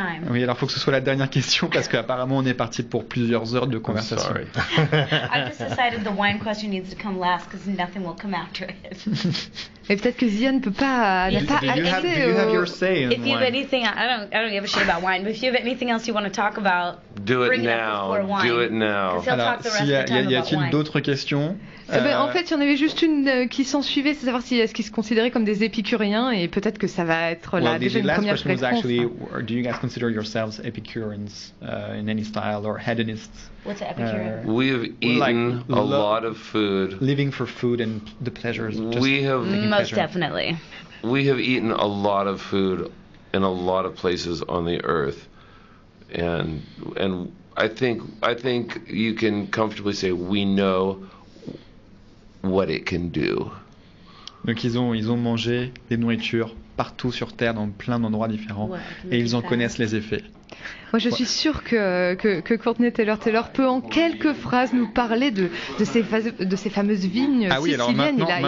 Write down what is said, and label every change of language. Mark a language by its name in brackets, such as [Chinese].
[French] Oui, alors faut que ce soit la dernière question parce qu'apparemment on est parti pour plusieurs heures de conversation. [English] I'm sorry. I've just decided the wine question needs to come last because nothing will come after. [French] Et peut-être que Zia ne peut pas accéder. [English] Do you have your say in wine? If you have anything, I don't give a shit about wine. But if you have anything else you want to talk about, do it now. Do it now. [French] Alors, y a-t-il d'autres questions? En fait, il y en avait juste une qui s'en suivait, c'est savoir si est-ce qu'ils se considéraient comme des épicuriens et peut-être que ça va être la première réponse. [English] Well, the last question was actually, do you guys consider yourselves Epicureans in any style or hedonists? What's an Epicurean? We have eaten a lot of food. Living for food and the pleasures. Most definitely. We have eaten a lot of food in a lot of places on the earth. And I think you can comfortably say we know what it can do. [French] Donc ils ont mangé des nourritures partout sur Terre, dans plein d'endroits différents, et ils en connaissent les effets. Moi, je suis sûre que Courtney Taylor peut, en quelques phrases, nous parler de ces fameuses vignes siciliennes.